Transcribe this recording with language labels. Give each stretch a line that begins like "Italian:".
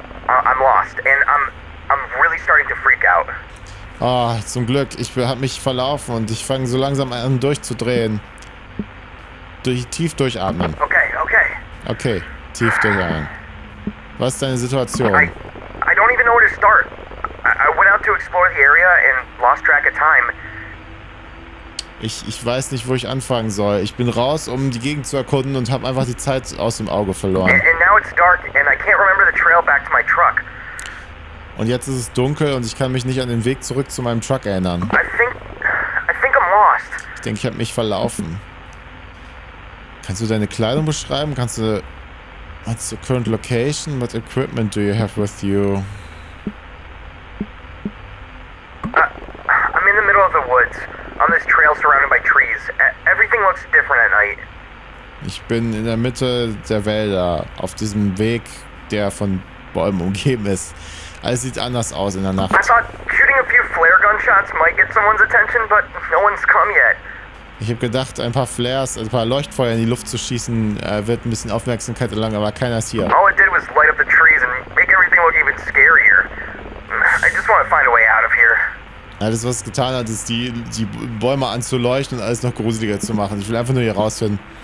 English: I'm lost and I'm really starting to freak out.
German: Ah, oh, zum Glück. Ich habe mich verlaufen und ich fange so langsam an durchzudrehen. Tief durchatmen. Okay, tief durchatmen. Was ist deine Situation?
English: I don't even know where to start. I went out to explore the area and lost track of time.
German: Ich weiß nicht, wo ich anfangen soll. Ich bin raus, um die Gegend zu erkunden und habe einfach die Zeit aus dem Auge verloren.
English: And now it's dark and I can't remember the trail back to my truck.
German: Und jetzt ist es dunkel und ich kann mich nicht an den Weg zurück zu meinem Truck erinnern.
English: I think I'm lost.
German: Ich denke, ich habe mich verlaufen. Kannst du deine Kleidung beschreiben? Kannst du...
English: What's the current location? What equipment do you have with you? I'm in the middle of the woods. On this trail surrounded by trees. Everything looks different at night.
German: Ich bin in der Mitte der Wälder. Auf diesem Weg, der von Bäumen umgeben ist. Alles sieht anders aus in der Nacht.
English: I thought shooting a few flare gunshots might get someone's attention, but no one's come yet.
German: Ich habe gedacht, ein paar Flares, ein paar Leuchtfeuer in die Luft zu schießen, wird ein bisschen Aufmerksamkeit erlangen, aber keiner ist hier.
English: All it did was light up the trees and make everything look even scarier. I just want to find a way out of here.
German: Alles, was es getan hat, ist die Bäume anzuleuchten und alles noch gruseliger zu machen. Ich will einfach nur hier rausfinden.